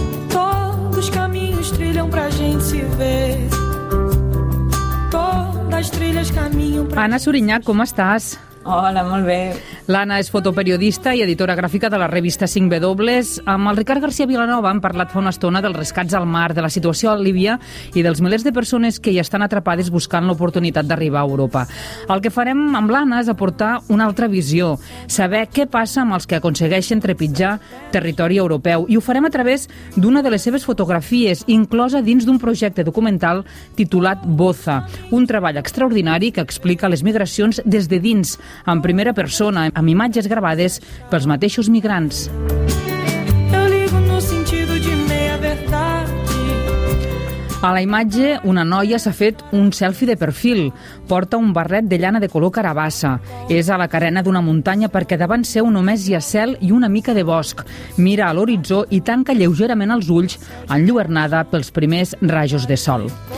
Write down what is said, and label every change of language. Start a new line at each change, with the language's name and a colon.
Portuguese: Todos caminhos trilham pra gente se ver. Todas trilhas caminham pra...
Catalan: Anna Sorinyac, com estàs? Hola, molt bé. L'Anna és fotoperiodista i editora gràfica de la revista 5W. Amb el Ricard García Vilanova hem parlat fa una estona dels rescats al mar, de la situació a Líbia i dels milers de persones que hi estan atrapades buscant l'oportunitat d'arribar a Europa. El que farem amb l'Anna és aportar una altra visió, saber què passa amb els que aconsegueixen trepitjar territori europeu. I ho farem a través d'una de les seves fotografies, inclosa dins d'un projecte documental titulat Boza, un treball extraordinari que explica les migracions des de dins, en primera persona, amb imatges gravades pels mateixos migrants.
Portuguese: Eu ligo no sentido de meia verdade.
Catalan: A la imatge, una noia s'ha fet un selfie de perfil. Porta un barret de llana de color carabassa. És a la carena d'una muntanya perquè davant seu només hi ha cel i una mica de bosc. Mira a l'horitzó i tanca lleugerament els ulls, enlluernada pels primers rajos de sol.